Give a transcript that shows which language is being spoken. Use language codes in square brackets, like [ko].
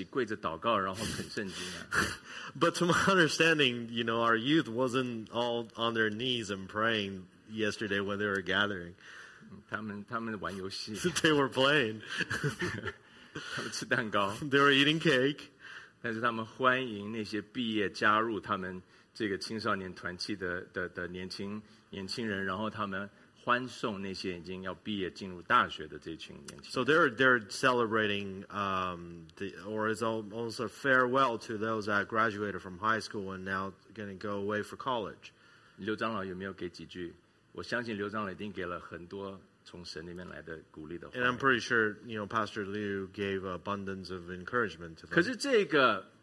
[zh] 但是他们,据我了解,他们昨天不是在一起跪着祷告,然后啃圣经啊。 [en] But to my understanding, you know, our youth wasn't all on their knees and praying yesterday when they were gathering. [zh] 他们玩游戏。 [en] They were playing. [zh] 他们吃蛋糕。 [en] They were eating cake. [zh] 但是他们欢迎那些毕业加入他们这个青少年团契的年轻人，然后他们欢送那些已经要毕业进入大学的这群年轻人。 [en] So they're celebrating or it's almost a farewell to those that graduated from high school and now going to go away for college. [zh] 刘长老有没有给几句？我相信刘长老一定给了很多。 [en] And I'm pretty sure, you know, Pastor Liu gave abundance of encouragement to them.